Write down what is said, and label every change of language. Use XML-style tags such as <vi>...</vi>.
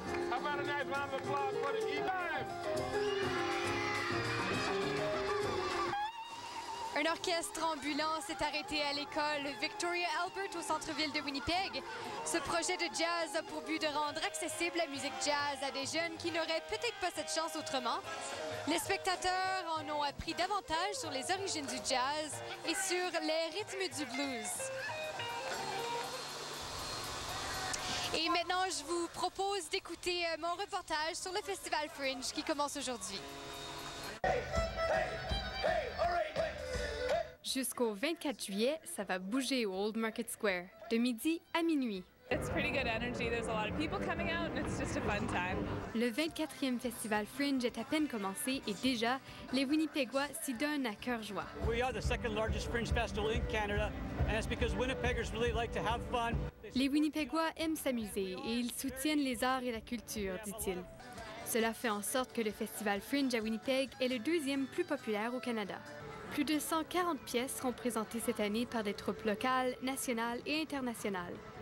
<en>How about a nice round of applause for the G5?</en> <fr>Un orchestre ambulant s'est arrêté à l'école Victoria Albert au centre-ville de Winnipeg. Ce projet de jazz a pour but de rendre accessible la musique jazz à des jeunes qui n'auraient peut-être pas cette chance autrement. Les spectateurs en ont appris davantage sur les origines du jazz et sur les rythmes du blues. Et maintenant, je vous propose d'écouter mon reportage sur le festival Fringe qui commence aujourd'hui. Jusqu'au 24 juillet, ça va bouger au Old Market Square, de midi à minuit.</fr> <en>It's pretty good energy. There's a lot of people coming out and it's just a fun time.</en> <fr>Le 24e festival Fringe est à peine commencé et déjà, les Winnipegois s'y donnent à cœur joie.</fr> <en>We are the second largest Fringe festival in Canada and it's because Winnipeggers really like to have fun.</en> <fr>Les Winnipegois aiment s'amuser et ils soutiennent les arts et la culture, dit-il. Cela fait en sorte que le festival Fringe à Winnipeg est le deuxième plus populaire au Canada. Plus de 140 pièces seront présentées cette année par des troupes locales, nationales et internationales.</fr>